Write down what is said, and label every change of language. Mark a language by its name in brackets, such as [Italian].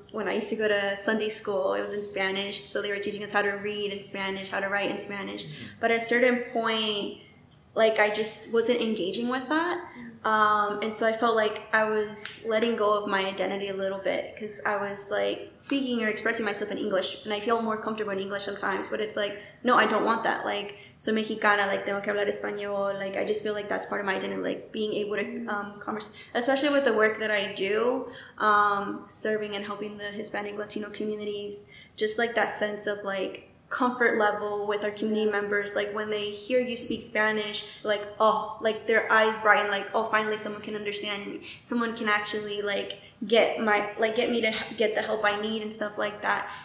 [English] When I used to go to Sunday school, it was in Spanish, so they were teaching us how to read in Spanish, how to write in Spanish. But at a certain point, like, I just wasn't engaging with that. And so I felt like I was letting go of my identity a little bit, because I was like speaking or expressing myself in English, and I feel more comfortable in English sometimes, but it's like, no, I don't want that. [Spanish] Like, soy Mexicana, like, tengo que hablar español. [English] Like, I just feel like that's part of my identity, like being able to converse, especially with the work that I do, serving and helping the Hispanic Latino communities, just like that sense of like comfort level with our community members, like when they hear you speak Spanish, like, oh, like their eyes brighten, like, oh, finally someone can understand me, someone can actually like get me to get the help I need and stuff like that.